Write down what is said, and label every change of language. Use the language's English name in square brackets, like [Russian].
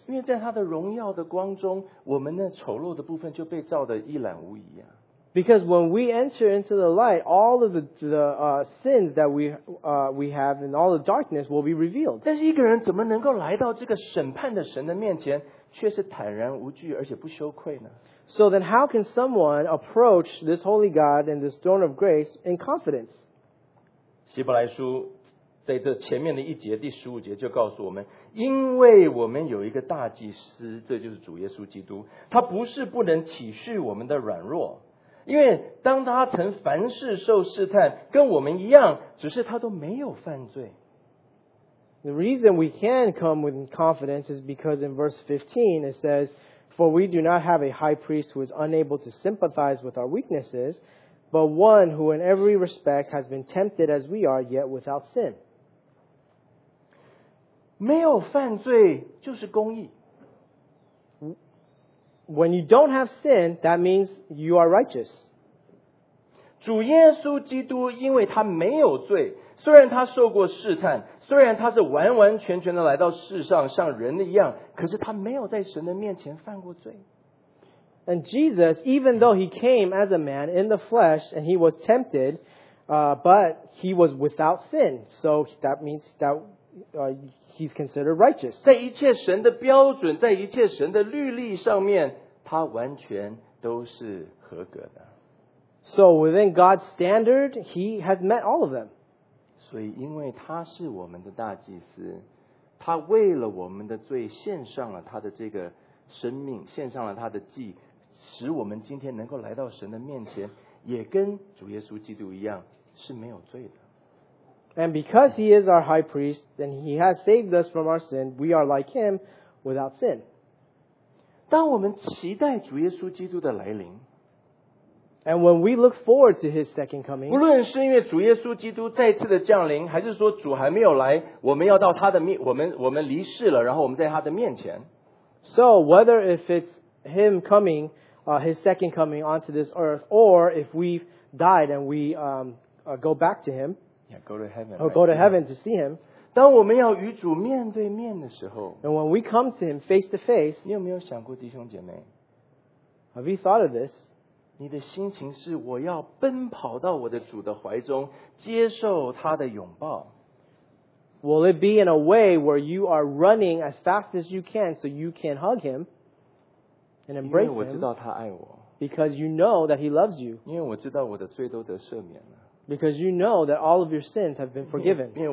[Chinese] 因为在他的荣耀的光中，我们那丑陋的部分就被照得一览无遗啊。 [English] Because when we enter into the light, all of the sins that we have and all the darkness will be revealed. [Chinese] 但是一个人怎么能够来到这个审判的神的面前？却是坦然无惧，而且不羞愧呢。 [English] So then, how can someone approach this holy God and this throne of grace in confidence? [Chinese] 希伯来书在这前面的一节第十五节就告诉我们，因为我们有一个大祭司，这就是主耶稣基督，他不是不能体恤我们的软弱，因为当他曾凡事受试探，跟我们一样，只是他都没有犯罪。 [English] The reason we can come with confidence is because in verse 15 it says, "For we do not have a high priest who is unable to sympathize with our weaknesses, but one who in every respect has been tempted as we are, yet without sin." [Chinese] 没有犯罪就是公义。 [English] When you don't have sin, that means you are righteous. [Chinese] 主耶稣基督因为他没有罪，虽然他受过试探，虽然他是完完全全的来到世上像人一样，可是他没有在神的面前犯过罪。 [English] And Jesus, even though he came as a man in the flesh and he was tempted, but he was without sin. So that means that he's considered righteous. [Chinese] 在一切神的标准，在一切神的律例上面，他完全都是合格的。 [English] So within God's standard, he has met all of them. [Chinese] 所以因为他是我们的大祭司，他为了我们的罪献上了他的这个生命，献上了他的祭，使我们今天能够来到神的面前，也跟主耶稣基督一样是没有罪的。 [English] And because he is our high priest, and he has saved us from our sin, we are like him without sin. [Chinese] 当我们期待主耶稣基督的来临， [English] And when we look forward to his second coming, [Chinese] 无论是因为主耶稣基督再次的降临，还是说主还没有来，我们要到他的面，我们离世了，然后我们在他的面前。 [English] So whether if it's him coming, his second coming onto this earth, or if we've died and we go back to him, yeah, go to heaven, or go to heaven to see him. [Chinese] 当我们要与主面对面的时候， [English] and when we come to him face to face, [Chinese] 你有没有想过弟兄姐妹？ [English] Have you thought of this? [Chinese] 你的心情是我要奔跑到我的主的怀中，接受他的拥抱。 [English] Will it be in a way where you are running as fast as you can so you can hug him and embrace him? Because you know that he loves you. Because you know that all of your sins have been forgiven.